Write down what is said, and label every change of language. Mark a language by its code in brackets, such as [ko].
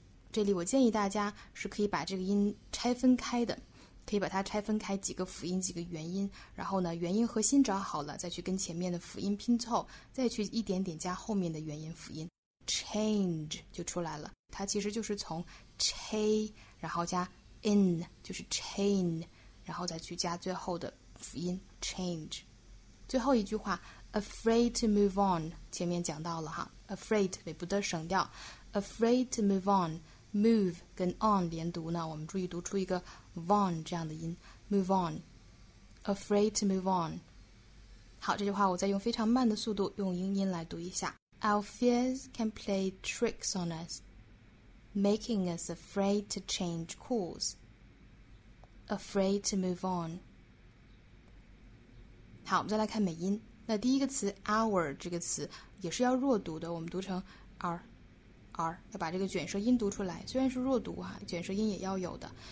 [zh] 这里我建议大家是可以把这个音拆分开的，可以把它拆分开几个辅音几个元音，然后呢元音核心找好了再去跟前面的辅音拼凑，再去一点点加后面的元音辅音 change 就出来了，它其实就是从 che 然后加 in 就是 chain， 然后再去加最后的辅音 change。最后一句话 [en] afraid to move on [zh] 前面讲到了哈， afraid 尾部的省掉， afraid to move on， move 跟 on 连读呢我们注意读出一个von 这样的音， move on， afraid to move on。好，这句话我再用非常慢的速度用英音来读一下。 [en] Our fears can play tricks on us, making us afraid to change course, afraid to move on。 [zh] 好，我们再来看美音。那第一个词 our 这个词也是要弱读的，我们读成 r 要把这个卷舌音读出来，虽然是弱读啊，卷舌音也要有的。